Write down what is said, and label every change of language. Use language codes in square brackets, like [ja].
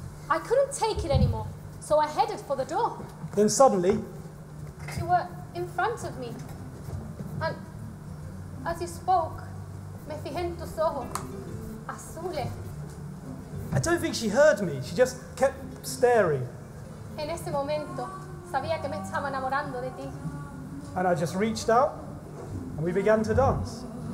[en] I couldn't take it anymore, so I headed for the door. Then suddenly, you were in front of me, and as you spoke, [es] me fijé en tus ojos, azules. [en] I don't think she heard me, she just kept staring. [es] En ese momento, sabía que me estaba enamorando de ti. [en] And I just reached out, and we began to dance.